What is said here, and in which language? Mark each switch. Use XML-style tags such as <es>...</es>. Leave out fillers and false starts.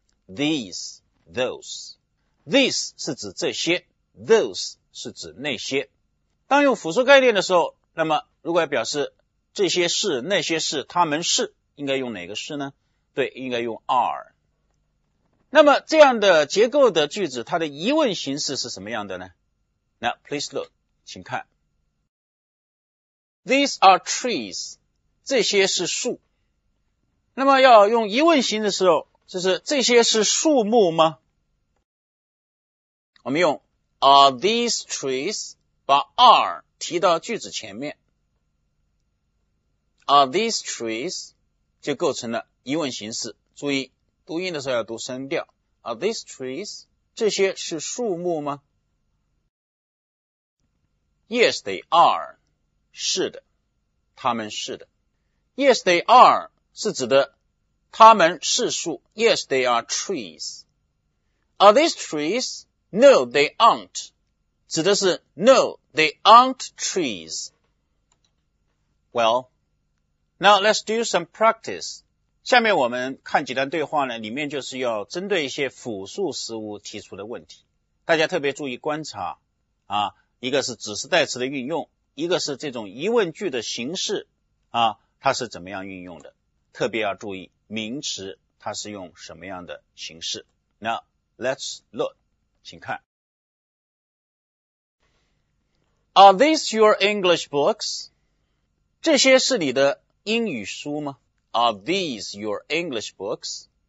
<zh>These, those. These 是指这些， those 是指那些。当用复数概念的时候，那么如果要表示这些是、那些是、他们是，应该用哪个是呢？对，应该用 are。那么这样的结构的句子，它的疑问形式是什么样的呢？</zh> <en>Now please look，</en> <zh>请看。</zh> <en>These are trees，</en> <zh>这些是树。那么要用疑问形式的时候，就是这些是树木吗？我们用</zh> <en>Are these trees，</en> <zh>把 are 提到句子前面。</zh> <en>Are these trees</en> <zh>就构成了疑问形式，注意。读音的时候要读声调。</zh> <en>Are these trees?</en> <zh>这些是树木吗？</zh> <en>Yes, they are.</en> <zh>是的，他们是的。</zh> <en>Yes, they are</en> <zh>是指的他们是树。</zh> <en>Yes, they are trees. Are these trees? No, they aren't.</en> <zh>指的是</zh> <en>No, they aren't trees. Well, now let's do some practice.</en> <zh>下面我们看几段对话呢，里面就是要针对一些复数事物提出的问题。大家特别注意观察啊，一个是指示代词的运用，一个是这种疑问句的形式啊，它是怎么样运用的，特别要注意名词它是用什么样的形式。</zh> <en>Now let's look，</en> <zh>请看。</zh> <en>Are these your English books？</en> <zh>这些是你的英语书吗？</zh> <en>Are these your English books？</en>